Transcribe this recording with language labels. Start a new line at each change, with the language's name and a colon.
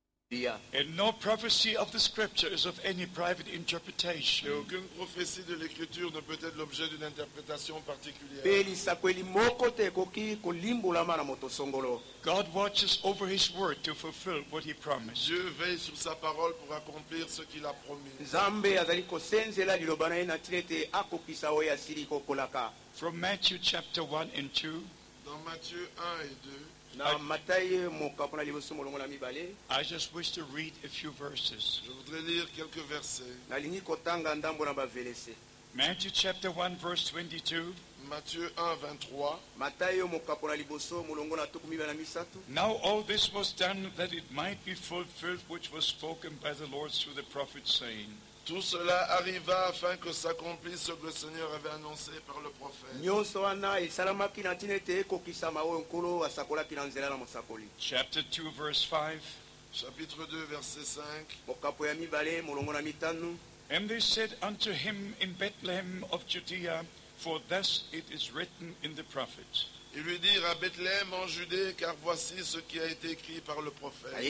English: And no prophecy of the scripture is of any private interpretation.
French: Et aucune prophétie de l'écriture ne peut être l'objet d'une interprétation particulière.
English: God watches over his word to fulfill what he promised.
French: Dieu veille sur sa parole pour accomplir ce qu'il a promis.
Lingala: Zambe azali kosenzela liloba na ina tete akokisa oyo asili kokolaka.
English: From Matthew chapter 1 and 2.
French: Dans Matthieu 1 et 2.
English: I just wish to read a few verses.
French: Je voudrais lire quelques versets.
English: Matthew chapter 1 verse
French: 22. Matthieu 1:23.
English: Now all this was done that it might be fulfilled which was spoken by the Lord through the prophet saying.
French: Tout cela arriva afin que s'accomplisse ce que le Seigneur avait annoncé par le prophète.
English: Chapter 2, verse 5.
French: Chapitre 2, verset 5.
English: And they said unto him in Bethlehem of Judea, for thus it is written in the prophet.
French: Ils lui dirent à Bethléem en Judée, car voici ce qui a été écrit par le prophète.